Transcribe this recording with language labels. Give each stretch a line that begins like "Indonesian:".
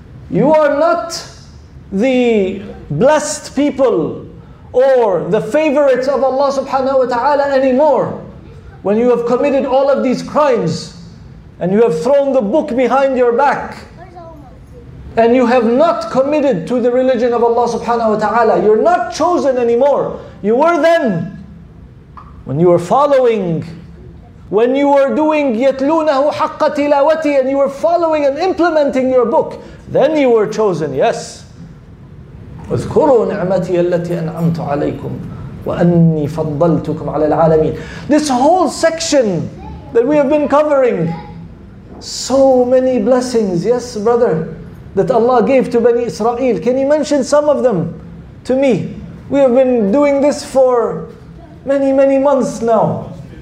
English: You are not the blessed people or the favorites of Allah subhanahu wa ta'ala anymore when you have committed all of these crimes and you have thrown the book behind your back and you have not committed to the religion of Allah subhanahu wa ta'ala. You're not chosen anymore. You were then when you were following, when you were doing
Arabic: yatlunahu haqqa tilawati,
English: and you were following and implementing your book, then you were chosen. Yes.
Arabic: اذكروا نعمتي التي أنعمت عليكم وأني فضلتكم على العالمين.
English: This whole section that we have been covering, so many blessings, yes brother, that Allah gave to Bani Israel. Can you mention some of them to me? We have been doing this for many, many months now.